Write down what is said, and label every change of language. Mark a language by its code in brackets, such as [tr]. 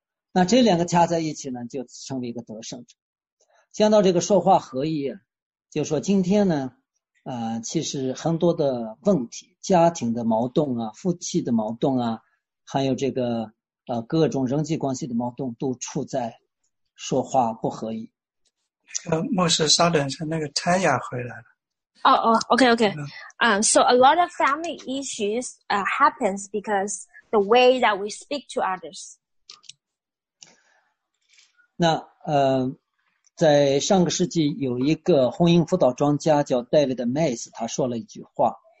[zh] 那这两个加在一起呢，就成为一个得胜者。讲到这个说话合意，就说今天呢，其实很多的问题，家庭的矛盾啊，夫妻的矛盾啊，还有这个各种人际关系的矛盾，都处在说话不合意，牧师稍等一下，那个泰雅回来了。哦、OK. [en] So a lot of family issues happens because the way that we speak to others. [zh] 那在上个世纪有一个婚姻辅导专家叫戴维德·麦斯，他说了一句话。